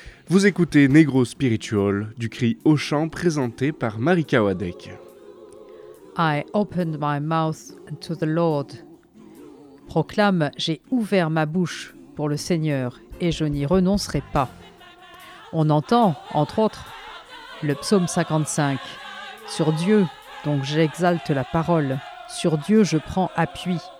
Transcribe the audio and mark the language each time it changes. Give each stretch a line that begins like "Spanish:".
French: Vous écoutez Negro Spiritual du cri au chant présenté par Marika Wadek.
English: I opened my mouth to the Lord.
French: Proclame, j'ai ouvert ma bouche pour le Seigneur et je n'y renoncerai pas. On entend, entre autres, le psaume 55. Sur Dieu, donc j'exalte la parole. Sur Dieu, je prends appui.